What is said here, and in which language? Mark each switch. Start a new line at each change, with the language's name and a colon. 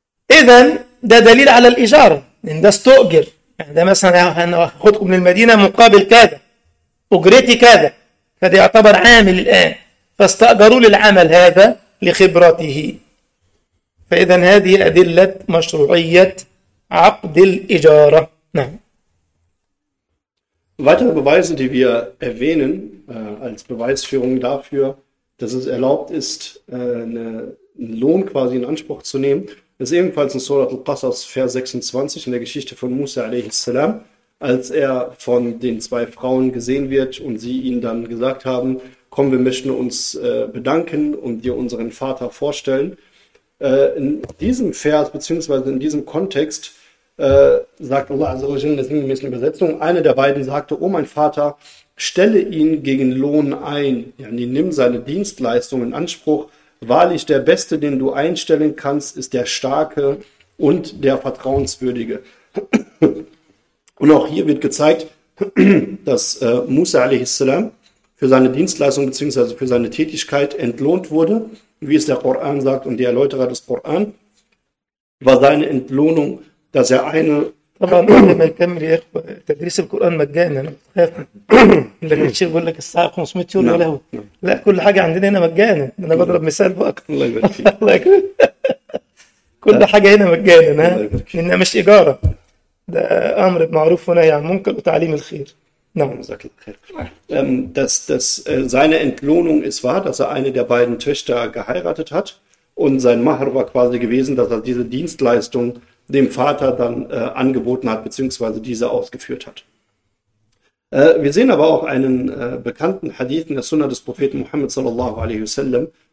Arabic: اذا ده دليل على الاجاره، ان ده استؤجر، يعني ده مثلا انا هاخدكم من المدينه مقابل كذا، اجرتي كذا، فده يعتبر عامل الان، فاستاجروا للعمل هذا لخبرته. فإذا هذه أدلة مشروعية عقد الإجارة. نعم.
German: Weitere Beweise, die wir erwähnen als Beweisführung dafür, dass es erlaubt ist, einen Lohn quasi in Anspruch zu nehmen, Das ist ebenfalls in Surat al-Qasas, Vers 26, in der Geschichte von Musa a.s. salam, als er von den zwei Frauen gesehen wird und sie ihn dann gesagt haben: Komm, wir möchten uns bedanken und dir unseren Vater vorstellen. In diesem Vers, beziehungsweise in diesem Kontext, sagt Allah, also in der sinngemäßen Übersetzung, eine der beiden sagte: Oh mein Vater, stelle ihn gegen Lohn ein. Ja, nimm seine Dienstleistungen in Anspruch. Wahrlich, der Beste, den du einstellen kannst, ist der Starke und der Vertrauenswürdige. Und auch hier wird gezeigt, dass Musa a.s. für seine Dienstleistung bzw. für seine Tätigkeit entlohnt wurde, wie es der Koran sagt, und die Erläuterer des Koran war seine Entlohnung, dass er eine.
Arabic: طبعا واحدة من الكم يا اخوة تدريس القرآن مجانا، ما تخافش. لكن الشيخ بيقول لك الساعة 500 يورو نعم. لهو. لا كل حاجة عندنا هنا مجانا، أنا نعم. بضرب مثال فقط. الله يبارك فيك. كل حاجة هنا مجانا، ها؟ الله يبارك فيك. إنها مش إيجارة. ده أمر بمعروف ونهي عن منكر وتعليم الخير. نعم. جزاك الله خير.
German: Seine Entlohnung ist wahr, dass er eine der beiden Töchter geheiratet hat und sein Mahr war quasi gewesen, dass er diese Dienstleistung dem Vater dann angeboten hat, beziehungsweise diese ausgeführt hat. Wir sehen aber auch einen bekannten Hadith in der Sunna des Propheten Muhammad sallallahu alaihi wasallam.